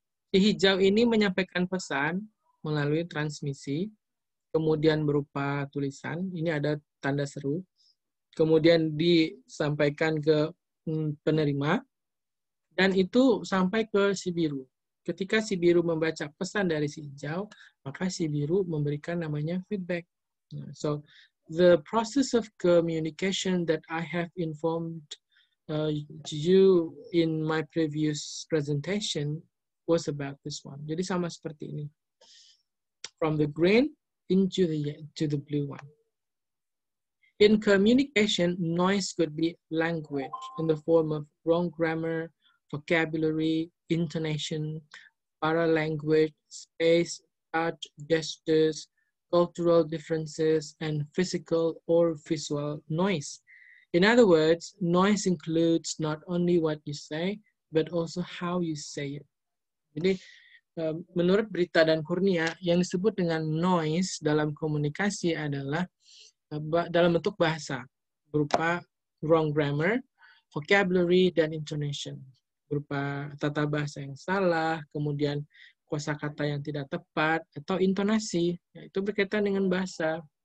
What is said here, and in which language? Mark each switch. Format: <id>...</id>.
<id>Si hijau ini menyampaikan pesan melalui transmisi, kemudian berupa tulisan, ini ada tanda seru, kemudian disampaikan ke penerima, dan itu sampai ke si biru. Ketika si biru membaca pesan dari si hijau, maka si biru memberikan namanya feedback.</id> <en>So, the process of communication that I have informed to you in my previous presentation was about this one.</en> <id>Jadi sama seperti ini.</id> <en>From the green into the blue one. In communication, noise could be language in the form of wrong grammar, vocabulary, intonation, paralanguage, space, touch, gestures, cultural differences, and physical or visual noise. In other words, noise includes not only what you say, but also how you say it.</en> <id>Jadi, menurut Berita dan Kurnia, yang disebut dengan noise dalam komunikasi adalah dalam bentuk bahasa, berupa</id> <en>wrong grammar,</en> <id>vocabulary, dan intonation. Berupa tata bahasa yang salah, kemudian kosakata yang tidak tepat, atau intonasi, itu berkaitan dengan bahasa.</id>